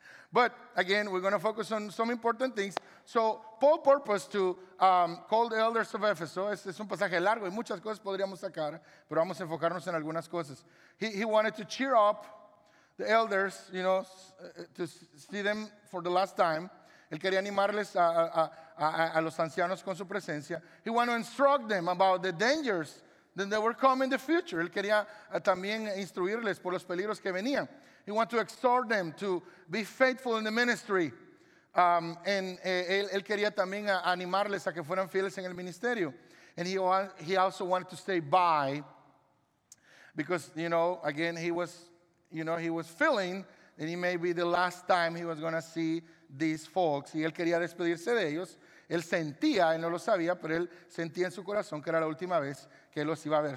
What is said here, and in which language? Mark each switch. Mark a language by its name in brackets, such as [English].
[English] But again, we're going to focus on some important things. So Paul's purpose to call the elders of Ephesus, [Spanish] es un pasaje largo y muchas cosas podríamos sacar, pero vamos a enfocarnos en algunas cosas. [English] He wanted to cheer up the elders, you know, to see them for the last time. [Spanish] Él quería animarles a los ancianos con su presencia. [English] He wanted to instruct them about the dangers that they were coming in the future. [Spanish] Él quería también instruirles por los peligros que venían. [English] He wanted to exhort them to be faithful in the ministry. [Spanish] Él quería también animarles a que fueran fieles en el ministerio. [English] And he also wanted to stay by because, you know, again, he was feeling that it may be the last time he was going to see these folks. [Spanish] Y él quería despedirse de ellos. Él sentía, él no lo sabía, pero él sentía en su corazón que era la última vez que los iba a ver.